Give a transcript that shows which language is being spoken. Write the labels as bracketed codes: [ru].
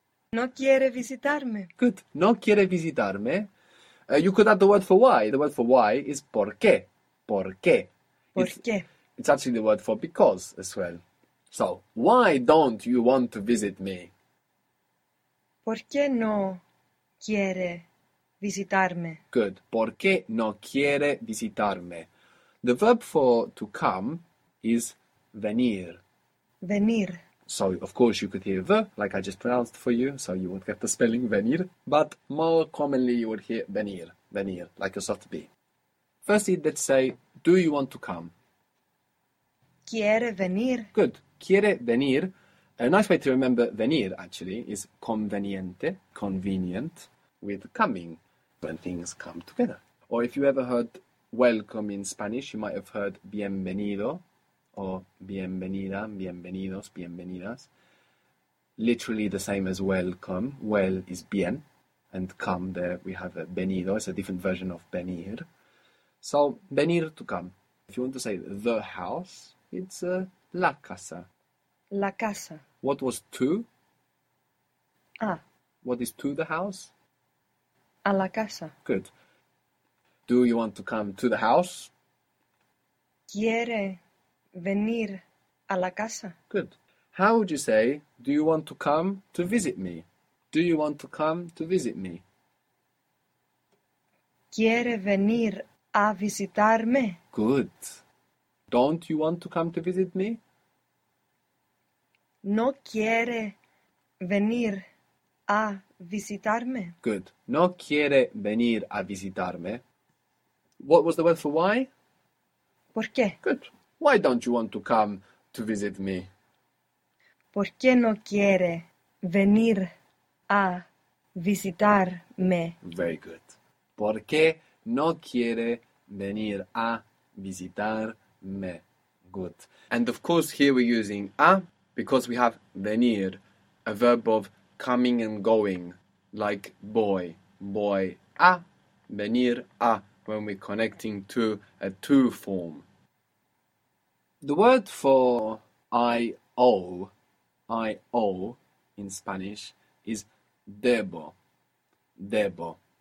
[es] No quiere visitarme. Good. No quiere visitarme. [en] You could add the word for why. The word for why is [es] por qué. Por qué. ¿Por [en] It's [es] qué? [en] actually the word for because as well. So, why don't you want to visit me? [es] ¿Por qué no quiere visitarme? [en] Good. [es] Por qué no quiere visitarme? [en] The verb for to come is venir. [es] Venir. [en] So, of course, you could hear V, like I just pronounced for you, so you won't get the spelling venir, but more commonly you would hear venir, venir, like a soft B. Firstly, let's say, do you want to come? [es] ¿Quiere venir? Good. Quiere venir. [en] A nice way to remember venir, actually, is conveniente, convenient, with coming, when things come together. Or if you ever heard welcome in Spanish, you might have heard bienvenido. [es] Or bienvenida, bienvenidos, bienvenidas. [en] Literally the same as welcome. Well is bien, and come there we have a venido. It's a different version of venir. So, venir to come. If you want to say the house, it's la casa. [es] La casa. [en] What was to? Ah. What is to the house? [es] A la casa. [en] Good. Do you want to come to the house? [es] Quiere venir a la casa. [en] Good. How would you say, do you want to come to visit me? Do you want to come to visit me? [es] Quiere venir a visitarme. [en] Good. Don't you want to come to visit me? [es] No quiere venir a visitarme. [en] Good. [es] No quiere venir a visitarme. [en] What was the word for why? [es] ¿Por qué? [en] Good. Why don't you want to come to visit me? [es] ¿Por qué no quiere venir a visitarme? [en] Very good. [es] ¿Por qué no quiere venir a visitarme? [en] Good. And of course, here we're using a because we have venir, a verb of coming and going, like boy, boy, a, venir a, when we're connecting to a to form. The word for I O in Spanish is debo, debo,